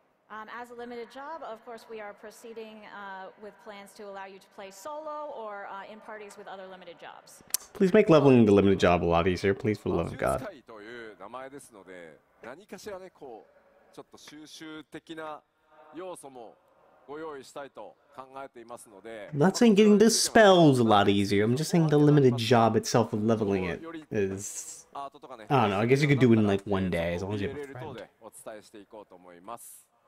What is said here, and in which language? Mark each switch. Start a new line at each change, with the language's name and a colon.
English: As a limited job, of course, we are proceeding with plans to allow you to play solo or in parties with other limited jobs. Please make leveling the limited job a lot easier, please, for the love of God.
Japanese: という名前ですので、何かしらね、こう、ちょっと収集的な要素もご用意したいと考えていますので。
English: I'm not saying getting the spells a lot easier, I'm just saying the limited job itself of leveling it is... I don't know, I guess you could do it in like one day, as long as you have a friend.
Japanese: お伝えしていこうと思います。